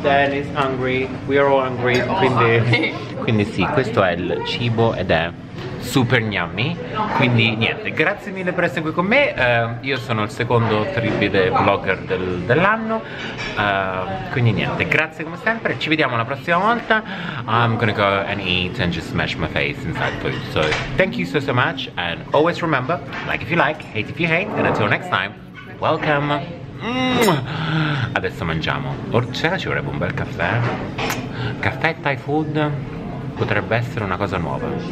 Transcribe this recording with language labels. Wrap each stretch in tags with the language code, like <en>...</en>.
<en>Dan is hungry, we are all hungry,</en> <it>quindi sì, questo è il cibo ed è super gnammi. Quindi niente, grazie mille per essere qui con me. Io sono il secondo tripide vlogger dell'anno. Quindi niente, grazie come sempre, ci vediamo la prossima volta.</it> <en>I'm gonna go and eat and just smash my face inside food. So thank you so much, and always remember, like if you like, hate if you hate, and until next time, welcome.</en> <it>Adesso mangiamo. Orsera ci vorrebbe un bel caffè. Caffè Thai food potrebbe essere una cosa nuova.</it>